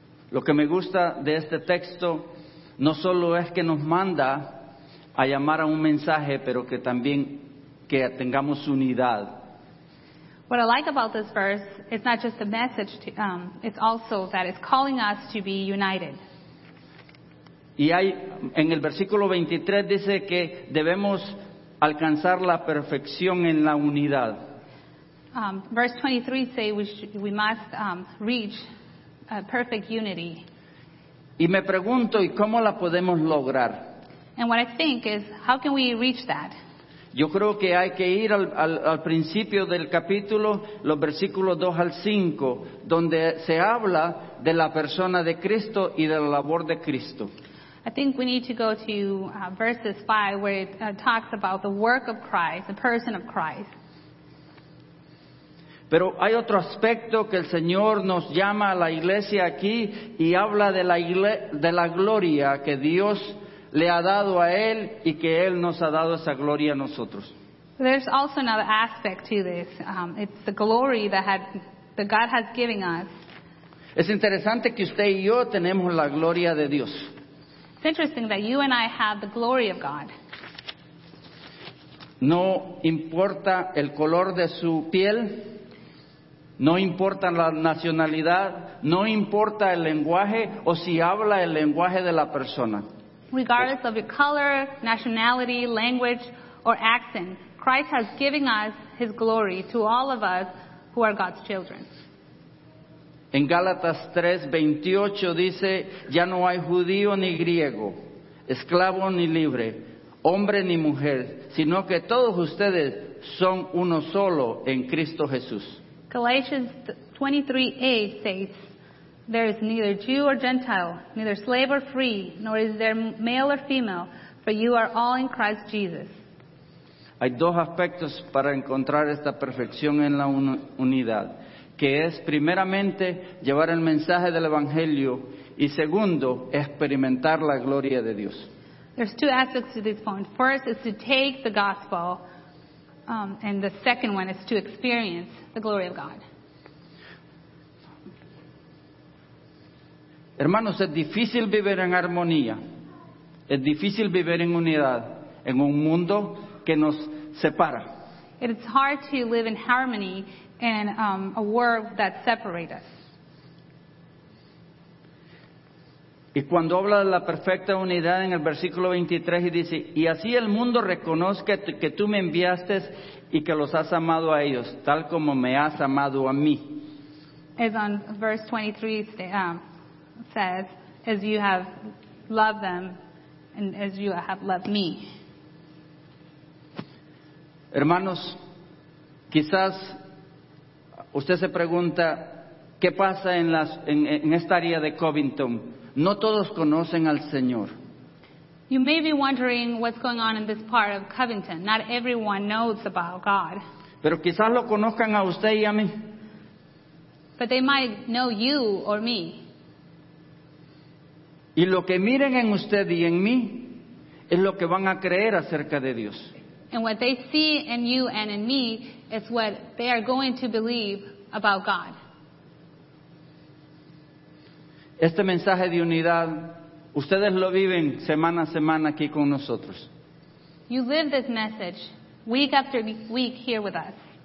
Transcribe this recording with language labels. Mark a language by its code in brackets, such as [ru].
[es] Lo que me gusta de este texto no solo es que nos manda a llamar a un mensaje, pero que también que tengamos unidad. [en] What I like about this verse is not just a message, it's also that it's calling us to be united. [es] Y hay, en el versículo 23 dice que debemos alcanzar la perfección en la unidad. [en] Verse 23 say we must reach a perfect unity. [es] Y me pregunto, ¿y cómo la podemos lograr? [en] And what I think is, how can we reach that? [es] Yo creo que hay que ir al principio del capítulo, los versículos 2 al 5, donde se habla de la persona de Cristo y de la labor de Cristo. [en] I think we need to go to verses 5, where it talks about the work of Christ, the person of Christ. [es] Pero hay otro aspecto que el Señor nos llama a la iglesia aquí y habla de la gloria que Dios le ha dado a Él y que Él nos ha dado esa gloria a nosotros. [en] There's also another aspect to this. It's the glory that God has given us. [es] Es interesante que usted y yo tenemos la gloria de Dios. [en] It's interesting that you and I have the glory of God. [es] No importa el color de su piel, no importa la nacionalidad, no importa el lenguaje o si habla el lenguaje de la persona. [en] Regardless of your color, nationality, language, or accent, Christ has given us His glory to all of us who are God's children. [es] En Gálatas 3:28 dice, ya no hay judío ni griego, esclavo ni libre, hombre ni mujer, sino que todos ustedes son uno solo en Cristo Jesús. [en] Galatians 23:8 says, there is neither Jew or Gentile, neither slave or free, nor is there male or female, for you are all in Christ Jesus. [es] Hay dos aspectos para encontrar esta perfección en la unidad, que es primeramente llevar el mensaje del Evangelio y segundo, experimentar la gloria de Dios. [en] There's two aspects to this point. First is to take the gospel, and the second one is to experience the glory of God. [es] Hermanos, es difícil vivir en armonía. Es difícil vivir en unidad en un mundo que nos separa. [en] It's hard to live in harmony in a world that separates us. [es] Y cuando habla de la perfecta unidad en el versículo 23 y dice, y así el mundo reconozca que tú me enviaste y que los has amado a ellos, tal como me has amado a mí. [en] As on verse 23 says, as you have loved them and as you have loved me. [es] Hermanos, quizás usted se pregunta, ¿qué pasa en esta área de Covington? No todos conocen al Señor. [en] You may be wondering what's going on in this part of Covington. Not everyone knows about God. [es] Pero quizás lo conozcan a usted y a mí. [en] But they might know you or me. [es] Y lo que miren en usted y en mí es lo que van a creer acerca de Dios. [en] And what they see in you and in me is what they are going to believe about God. [es] Este mensaje de unidad, ustedes lo viven semana a semana aquí con nosotros. [en] You live this message week after week here with us.